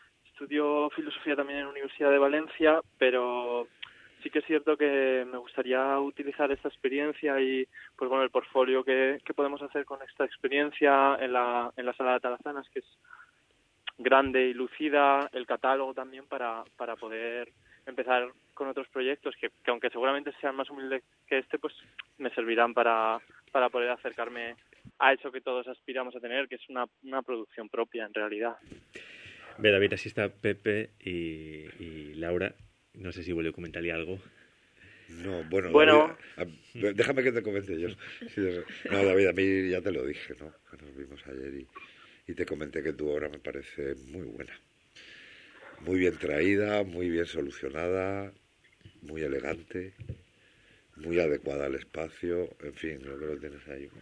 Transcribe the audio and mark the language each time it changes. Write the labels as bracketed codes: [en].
[es] Estudio filosofía también en la Universidad de Valencia, pero sí que es cierto que me gustaría utilizar esta experiencia y pues bueno, el portfolio que podemos hacer con esta experiencia en la sala de Atarazanes, que es grande y lucida, el catálogo también para poder empezar con otros proyectos que aunque seguramente sean más humildes que este, pues me servirán para poder acercarme a eso que todos aspiramos a tener, que es una producción propia, en realidad. [ca] Bé, David, així està Pepe i Laura. No sé si voleu comentar-li algo. [es] No, bueno... David, déjame que te comente yo. No, David, a mí ya te lo dije, ¿no? Nos vimos ayer y te comenté que tu obra me parece muy buena. Muy bien traída, muy bien solucionada, muy elegante, muy adecuada al espacio, en fin, creo que lo tienes ahí.